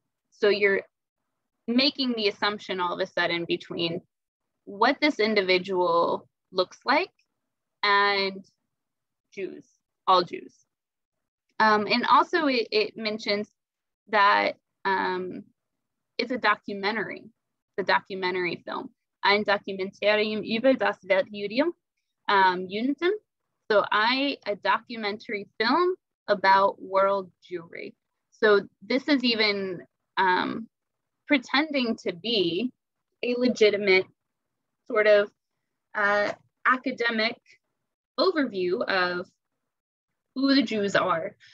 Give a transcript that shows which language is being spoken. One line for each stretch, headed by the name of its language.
English: So you're making the assumption all of a sudden between what this individual looks like and Jews, all Jews. And also it mentions that it's a documentary, the documentary film.
German: Ein Dokumentarium über das Weltjudium, Judentum.
English: So a documentary film about world Jewry. So this is even pretending to be a legitimate sort of academic overview of who the Jews are.